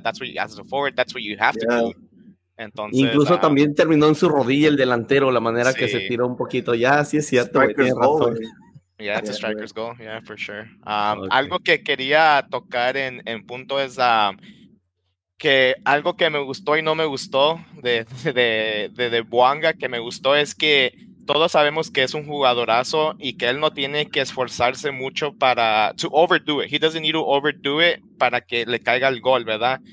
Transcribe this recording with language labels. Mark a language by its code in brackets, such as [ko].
[en] That's what you, as a forward, that's what you have to do. [es] Entonces, incluso también terminó en su rodilla el delantero, la manera que se tiró un poquito, ya, sí es cierto. [en] Striker's goal, [es] razón. [en] Yeah, it's a striker's goal, yeah, for sure. Okay. [es] Algo que quería tocar en punto es que algo que me gustó y no me gustó de Boanga, que me gustó es que todos sabemos que es un jugadorazo y que él no tiene que esforzarse mucho para... [en] To overdo it. He doesn't need to overdo it [es] para que le caiga el gol, ¿verdad?